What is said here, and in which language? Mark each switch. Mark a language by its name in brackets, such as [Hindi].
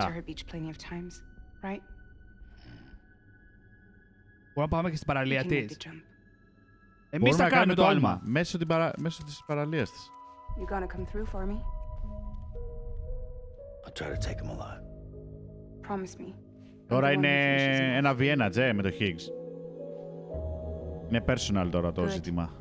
[English] You've been to her beach plenty of times, right? [Greek] Μπορούμε να πάμε και στην παραλία της. Εμείς θα κάνουμε το άλμα. Μέσω της παραλίας της. [English] You're gonna come through for me? I'll try to take him alive. Promise me. [Greek] Τώρα είναι ένα Βιέννα, Τζέ, με το Higgs. Είναι personal τώρα το ζήτημα.